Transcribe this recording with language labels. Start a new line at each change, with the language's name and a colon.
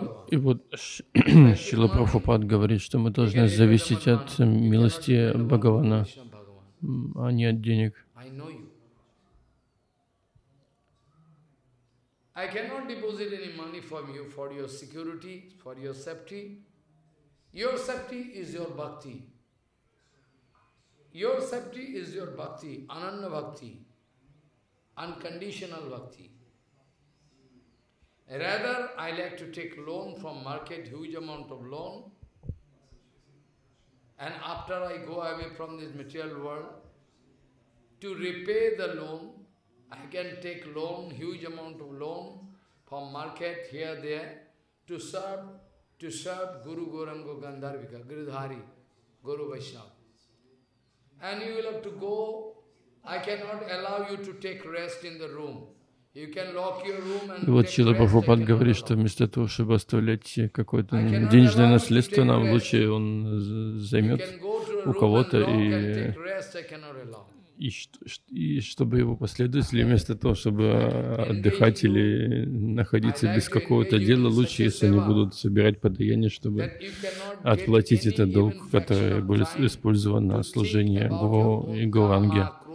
Russian: И вот Шрила Прабхупад говорит, что мы должны зависеть от милости Бхагавана, а не от денег.
English: I cannot deposit any money from you for your security, for your safety. Your safety is your bhakti. Your safety is your bhakti, ananya bhakti, unconditional bhakti. Rather, I like to take loan from market, huge amount of loan. And after I go away from this material world, to repay the loan, I can take loan, huge amount of loan, from market here there to serve Guru Gauranga Gandharvika, Giridhari, Guru Vaishnava. And you will have to go. I cannot allow you to take rest in the room. You can lock your room and
Russian: и вот Шрила Прабхупад говорит, что вместо того, чтобы оставлять какое-то денежное наследство, нам лучше он займет у кого-то и чтобы его последователи, вместо того, чтобы отдыхать или находиться без какого-то дела, лучше, если они будут собирать подаяние, чтобы отплатить этот долг, который будет использован на служение Гуру и Гауранге.